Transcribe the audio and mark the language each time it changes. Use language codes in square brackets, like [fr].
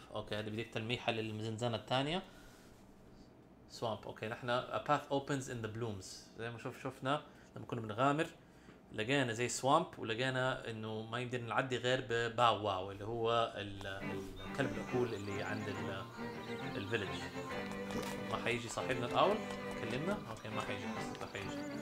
[ar] أوكي هذه بديك تلميحة للمزنزانة الثانية. سوامب. [en] okay [ar] نحن [en] a path opens in the blooms. [ar] زي ما شفنا لما كنا بنغامر لقينا زي سوامب، ولقينا انه ما يمدينا نعدي غير بباو واو اللي هو الكلب الاكول اللي عند الفيلج. ما حيجي صاحبنا الاول كلمنا. اوكي ما حيجي، بس ما حيجي.